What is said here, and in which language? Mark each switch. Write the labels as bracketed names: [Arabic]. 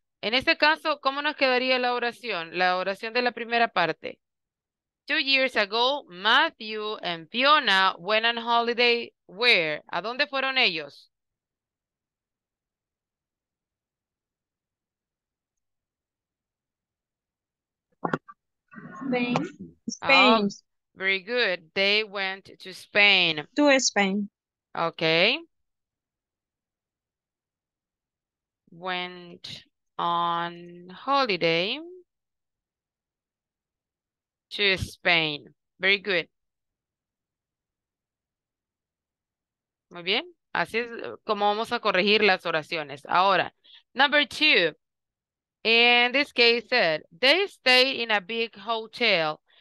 [Spanish] En este caso, ¿cómo nos quedaría la oración? La oración de la primera parte. [English] 2 years ago, Matthew and Fiona went on holiday where? [Spanish] ¿A dónde fueron ellos? [English] Spain. Spain. Oh, very good. They went to Spain. To Spain. Okay. Went on holiday to Spain. Very good. [Spanish] Muy bien. Así es como vamos a corregir las oraciones. [English] Ahora, number two. In this case, said they stayed in a big hotel.